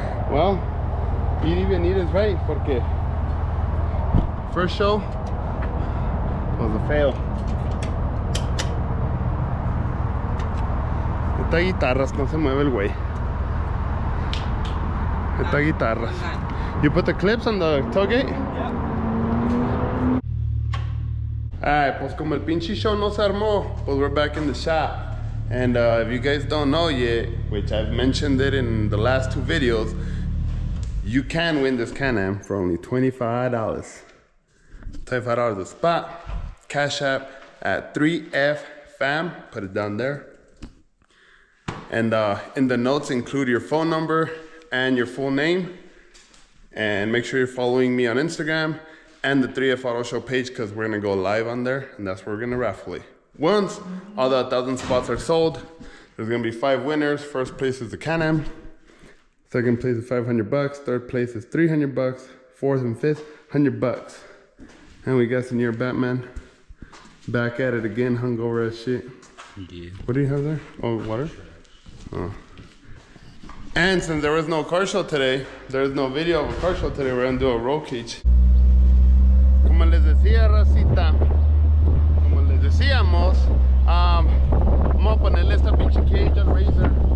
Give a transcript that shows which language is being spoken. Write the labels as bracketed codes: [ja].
[en] Well, [es] ir y venir [en] is right, porque. First show was a fail. [es] Esta guitarras, no se mueve el güey. Esta guitarras. [en] You put the clips on the tailgate? [es] Alright, pues como el pinche show no se armó, pues [en] we're back in the shop. And if you guys don't know yet, which I've mentioned it in the last two videos, you can win this Can-Am for only $25. $25 a spot, Cash App at 3F Fam, put it down there. And in the notes, include your phone number and your full name. And make sure you're following me on Instagram and the 3F Auto Show page, because we're gonna go live on there, and that's where we're gonna raffle it. Once all the 1,000 spots are sold, there's gonna be 5 winners. First place is the Can-Am, second place is $500, third place is $300, fourth and fifth, $100. And we got some near Batman back at it again, hungover as shit. Yeah. What do you have there? Oh, water? Oh. And since there was no car show today, there's no video of a car show today, we're gonna do a roll cage. [es] Como les decía, racita, como les decíamos, vamos a ponerle esta pinche cage al Razor.